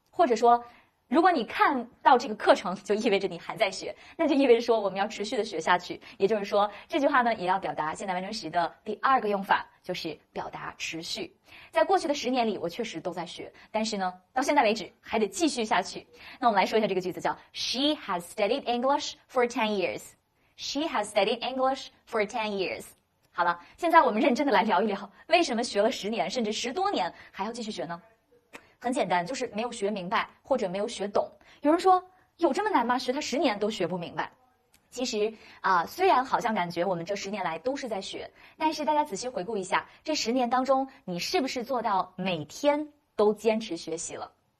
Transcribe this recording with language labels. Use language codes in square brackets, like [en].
[zh] 或者说，如果你看到这个课程，就意味着你还在学，那就意味着说我们要持续的学下去。也就是说，这句话呢，也要表达现在完成时的第二个用法，就是表达持续。在过去的十年里，我确实都在学，但是呢，到现在为止还得继续下去。那我们来说一下这个句子，叫 [en] She has studied English for 10 years. She has studied English for 10 years. [zh] 好了，现在我们认真的来聊一聊，为什么学了十年，甚至十多年还要继续学呢？很简单，就是没有学明白或者没有学懂。有人说，有这么难吗？学他十年都学不明白。其实啊，虽然好像感觉我们这十年来都是在学，但是大家仔细回顾一下，这十年当中你是不是做到每天都坚持学习了？